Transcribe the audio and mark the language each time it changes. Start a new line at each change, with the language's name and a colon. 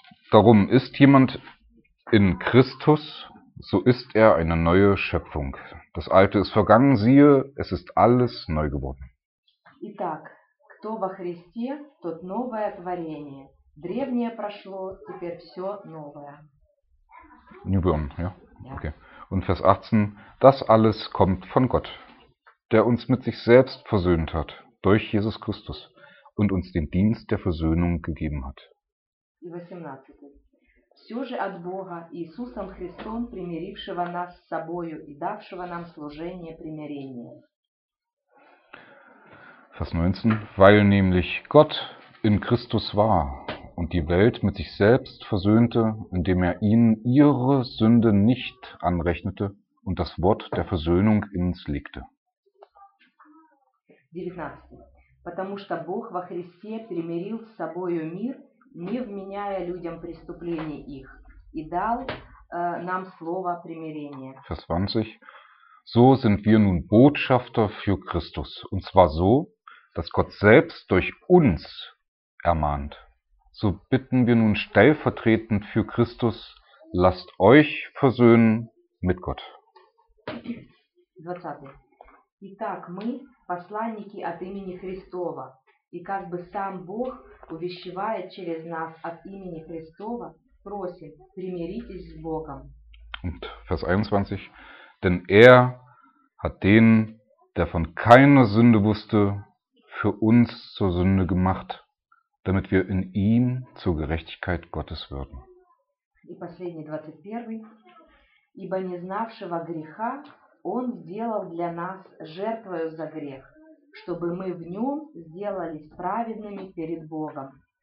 German: Darum ist jemand in Christus, so ist er eine neue Schöpfung. Das Alte ist vergangen, siehe, es ist alles neu geworden.
Russian: Итак. Кто во Христе, тот новое творение. Древнее прошло, теперь все новое.
English: Newborn,
German: ja? Ja. Okay. Und Vers 18. Das alles kommt von Gott, der uns mit sich selbst versöhnt hat, durch Jesus Christus, und uns den Dienst der Versöhnung gegeben hat.
Russian: И 18. Все же от Бога, Иисусом Христом, примирившего нас с собою и давшего нам служение примирения.
German: Vers 19, weil nämlich Gott in Christus war und die Welt mit sich selbst versöhnte, indem er ihnen ihre Sünde nicht anrechnete und das Wort der Versöhnung in uns legte.
Russian: 19. Потому что Бог во Христе примирил с собою мир, не вменяя людям преступлений их, и дал нам слово примирения.
German: Vers 20, So sind wir nun Botschafter für Christus, und zwar so, dass Gott selbst durch uns ermahnt. So bitten wir nun stellvertretend für Christus, lasst euch versöhnen mit Gott.
Russian: 20. Итак, мы посланники от имени Христова, и как бы сам Бог увещевает через нас от имени Христова, просим, примиритесь с Богом.
German: Und Vers 21. Denn er hat den, der von keiner Sünde wusste, für uns zur Sünde gemacht, damit wir in ihm zur Gerechtigkeit Gottes würden.
Russian: И последний, 21. Ибо не знавшего греха, он сделал для нас жертвою за грех, чтобы мы в нем сделались праведными перед Богом.